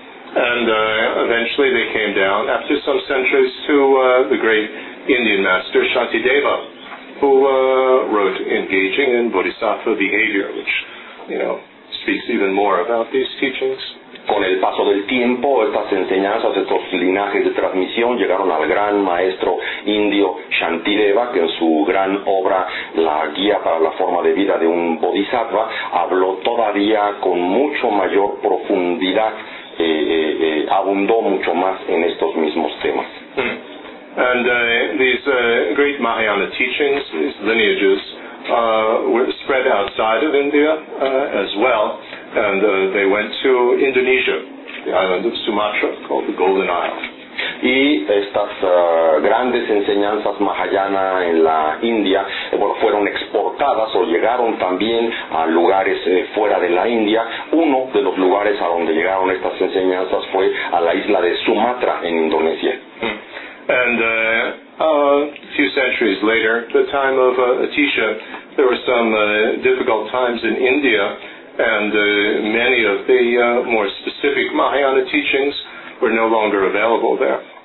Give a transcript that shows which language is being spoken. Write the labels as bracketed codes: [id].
[en] And eventually they came down after some centuries to the great Indian master Shantideva, who wrote Engaging in Bodhisattva Behavior, which, you know, speaks even more about these teachings. [es] Con el paso del tiempo, estas enseñanzas, estos linajes de transmisión llegaron al gran maestro indio Shantideva, que en su gran obra, La Guía para la Forma de Vida de un Bodhisattva, habló todavía con mucho mayor profundidad, abundó mucho más en estos mismos temas. [en] And these great Mahayana teachings, these lineages, were spread outside of India as well, and they went to Indonesia, the island of Sumatra, called the Golden Isle. [es] Y estas grandes enseñanzas Mahayana en la India fueron exportadas o llegaron también a lugares fuera de la India. Uno de los lugares a donde llegaron estas enseñanzas fue a la isla de Sumatra en Indonesia. [en] And a few centuries later, the time of Atisha, there were some difficult times in India, and many of the more specific Mahayana teachings were no longer available there.